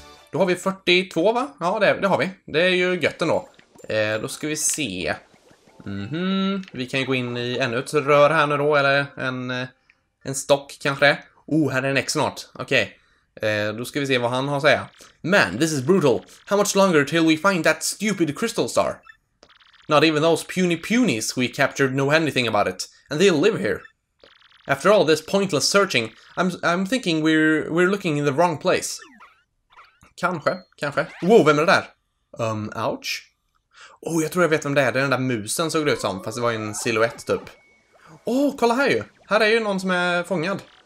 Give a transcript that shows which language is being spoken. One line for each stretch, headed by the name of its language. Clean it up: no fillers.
Swedish: Då har vi 42, va? Ja, det har vi. Det är ju gött ändå. Då ska vi se. Vi kan ju gå in i ännu ett rör här nu då, eller en stock kanske. Oh, här är en X-Nart. Okej. Då ska vi se vad han har att säga.
English: Man, this is brutal. How much longer till we find that stupid crystal star? Not even those puny punies we captured know anything about it. And they live here. After all this pointless searching, I'm thinking we're looking in the wrong place.
Swedish: Kanske. Wow, vem är det där? Ouch. Oh, jag tror jag vet vem det är. Det är den där musen såg det ut som. Fast det var en silhuett typ. Oh, kolla här ju. Här är ju någon som är fångad.